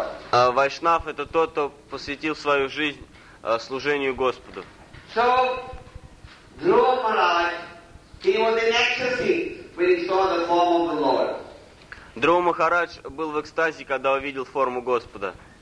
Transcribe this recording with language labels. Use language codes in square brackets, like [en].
[ru] Вайшнав – это тот, кто посвятил свою жизнь служению Господу. [en] So, Dhruva Maharaj, he was in ecstasy when he saw the form of the Lord. [ru] Дрова Махарадж был в экстазе, когда увидел форму Господа.